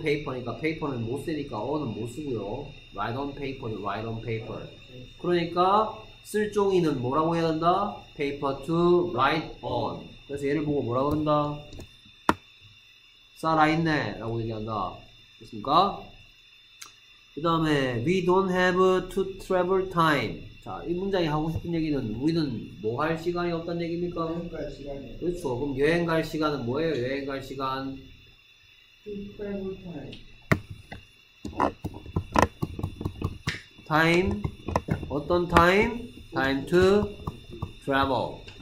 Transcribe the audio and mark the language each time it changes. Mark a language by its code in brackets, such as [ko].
[ko] paper니까 paper는 못 쓰니까 on은 못 쓰고요. [en] write on paper [ko] 는 write on paper. 그러니까 쓸 종이는 뭐라고 해야 된다? [en] paper to write on. [ko] 그래서 얘를 보고 뭐라고 한다? 살아있네 라고 얘기한다. 됐습니까? 그 다음에 [en] We don't have to travel time. [ko] 자, 이 문장이 하고 싶은 얘기는 우리는 뭐 할 시간이 없다는 얘기입니까? 여행 갈 시간이요. 그렇죠. 그럼 여행 갈 시간은 뭐예요? 여행 갈 시간 [en] To travel time. Time [ko] 어떤 [en] time? Time to travel.